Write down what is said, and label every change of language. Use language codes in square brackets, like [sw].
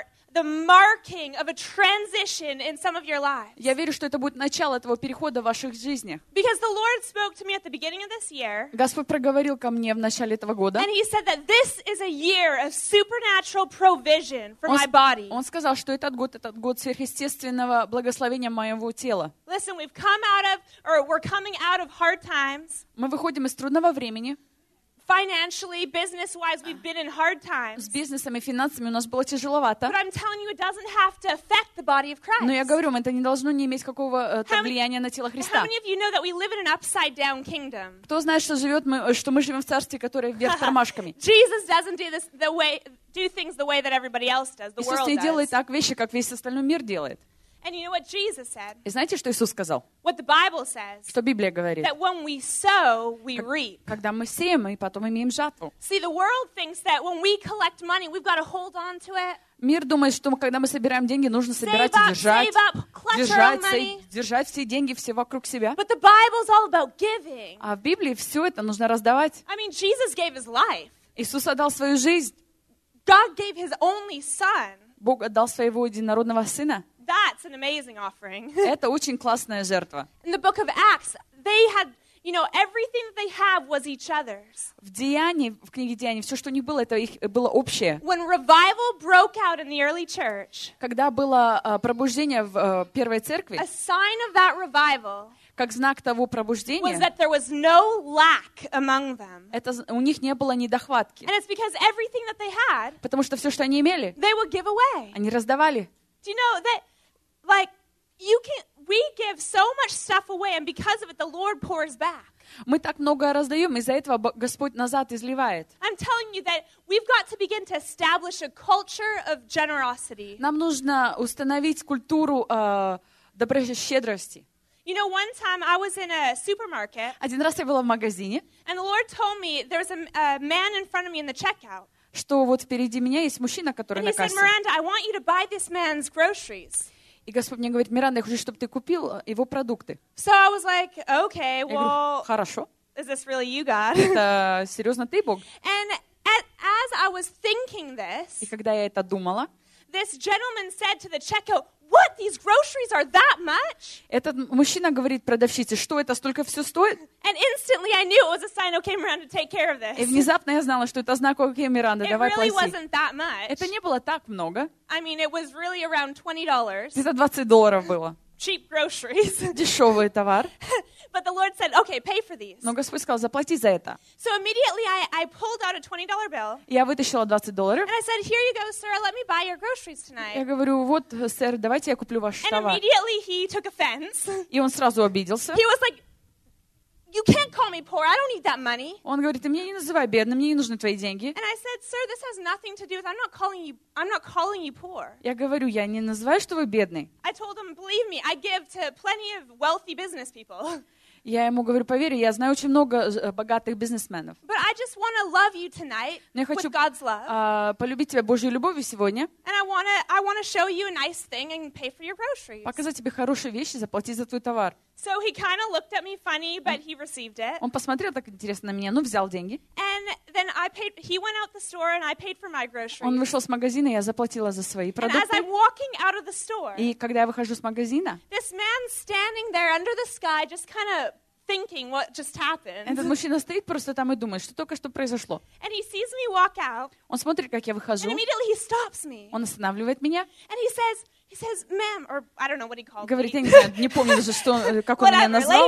[en] The marking of a transition in some of your lives. [ru] Я верю, что это будет начало этого перехода в ваших жизнях. [en] Because the Lord spoke to me at the beginning of this year. [ru] Господь проговорил ко мне в начале этого года. [en] And He said that this is a year of supernatural provision for my body. [ru] Он сказал, что этот год сверхъестественного благословения моего тела. [en] Listen, we've come out of, or we're coming out of hard times. [ru] Мы выходим из трудного времени. [en] Financially, business-wise, we've been in hard times. [ru] С бизнесом и финансами у нас было тяжеловато. [en] But I'm telling you, it doesn't have to affect the body of Christ. [ru] Но я говорю вам, это не должно не иметь какого-то влияния на тело Христа. [en] How many of you know that we live in an upside-down kingdom? [ru] Кто знает, что мы живем в царстве, которое вверх тормашками? [en] Jesus doesn't do things the way that everybody else does. The world does. [ru] Иисус не делает так вещи, как весь остальной мир делает. [en] And you know what Jesus said? [ru] И знаете, что Иисус сказал? [en] What the Bible says? [ru] Что Библия говорит? [en] That when we sow, we reap. [ru] Когда мы сеем, мы потом имеем жатву. [en] See, the world thinks that when we collect money, we've got to hold on to it. [ru] Мир думает, что когда мы собираем деньги, нужно собирать и держать. [en] Save up, [ru] держать все деньги, все вокруг себя. [en] But the Bible's all about giving. [ru] А в Библии все это нужно раздавать. [en] I mean, Jesus gave his life. [ru] Иисус отдал свою жизнь. [en] God gave his only son. [ru] Бог отдал своего единородного сына. [en] That's an amazing offering. [ru] Это очень классная жертва. [en] In the book of Acts, they had, you know, everything that they have was each other's. [ru] В Деяниях, в книге Деяний, все, что у них было, это их было общее. [en] When revival broke out in the early church, [ru] когда было пробуждение в первой церкви, [en] a sign of that revival, [ru] как знак того пробуждения, [en] was that there was no lack among them. [ru] Это у них не было недохватки. [en] And it's because everything that they had, [ru] потому что все, что они имели, [en] they would give away. [ru] Они раздавали. [en] Do you know that, like, you can? We give so much stuff away, and because of it, the Lord pours back. [ru] Мы так много раздаем, из-за этого Господь назад изливает. [en] I'm telling you that we've got to begin to establish a culture of generosity. [ru] Нам нужно установить культуру доброщедрости. [en] You know, one time I was in a supermarket. [ru] Один раз я была в магазине. [en] And the Lord told me there was a man in front of me in the checkout. [ru] Что вот впереди меня есть мужчина, который на кассе. [en] Miranda, I want you to buy this man's groceries. [ru] И Господь мне говорит: Миранда, я хочу, чтобы ты купил его продукты. [en] So I was like, okay, well, [ru] хорошо. [en] Is this really you, God? [ru] Это серьезно ты, Бог? [en] And as I was thinking this, [ru] и когда я это думала, [en] this gentleman said to the checkout, what, these groceries are that much? [ru] Этот мужчина говорит продавщице, что это столько все стоит? [en] And instantly I knew it was a sign, okay, Miranda, take care of this. [ru] И внезапно я знала, что это знак, окей, Миранда, давай плати. [en] It really wasn't that much. [ru] Это не было так много. [en] I mean, it was really around $20. [ru] Это $20 было. [en] Cheap groceries. [ru] Дешевый товар. [en] But the Lord said, okay, pay for these. [ru] Но Господь сказал, заплати за это. [en] So immediately I pulled out a $20 bill. [ru] Я вытащила $20. [en] And I said, here you go, sir, let me buy your groceries tonight. [ru] Я говорю, вот, сэр, давайте я куплю ваш [en] and [ru] товар. [en] And immediately he took offense. [ru] И он сразу обиделся. [en] He was like, you can't call me poor. I don't need that money. [ru] Он говорит, ты меня не называй бедным, мне не нужны твои деньги. [en] And I said, sir, this has nothing to do with. I'm not calling you poor. [ru] Я говорю, я не называю, что вы бедный. [en] I told him, believe me, I give to plenty of wealthy business people. [ru] Я ему говорю, поверь, я знаю очень много богатых бизнесменов. [en] But I just want to love you tonight. [ru] Но я хочу [en] with God's love. [ru] Полюбить тебя Божьей любовью сегодня. [en] And I want to show you a nice thing and pay for your groceries. [ru] Показать тебе хорошие вещи, заплатить за твой товар. [en] So he kind of looked at me funny, but he received it. [ru] Он посмотрел так интересно на меня, но взял деньги. [en] And then I paid. He went out the store and I paid for my groceries. [ru] Он вышел с магазина, я заплатила за свои продукты. [en] And as I'm walking out of the store, [ru] и когда я выхожу с магазина, [en] this man standing there under the sky just kind of thinking what just happened. [ru] Этот мужчина стоит просто там и думает, что только что произошло. [en] And he sees me walk out. [ru] Он смотрит, как я выхожу. [en] And immediately he stops me. [ru] Он останавливает меня. [en] And he says, ma'am, or I don't know what he called [ru] говорит, [en] me. [ru] Говорит, я не знаю, не помню уже, что, как он меня назвал.